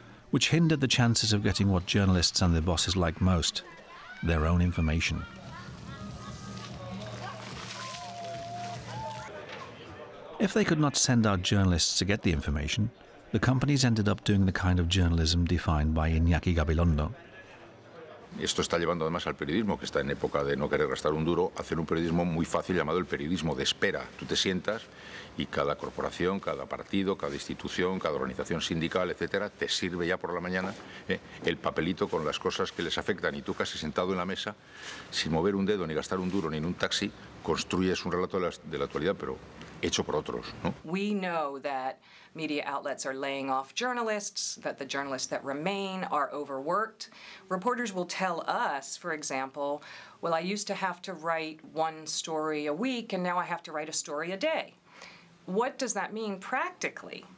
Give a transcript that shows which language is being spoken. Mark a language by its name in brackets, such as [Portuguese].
[English] which hindered the chances of getting what journalists and their bosses like most, their own information. If they could not send out journalists to get the information, the companies ended up doing the kind of journalism defined by Iñaki Gabilondo. [Spanish] Esto está llevando además al periodismo, que está en época de no querer gastar un duro, a hacer un periodismo muy fácil llamado el periodismo de espera. Tú te sientas y cada corporación, cada partido, cada institución, cada organización sindical, etcétera, te sirve ya por la mañana el papelito con las cosas que les afectan. Y tú casi sentado en la mesa, sin mover un dedo, ni gastar un duro, ni en un taxi, construyes un relato de la actualidad, pero hecho por otros, ¿no? [English] We know that media outlets are laying off journalists, that the journalists that remain are overworked. Reporters will tell us, for example, well, I used to have to write one story a week, and now I have to write a story a day. What does that mean practically?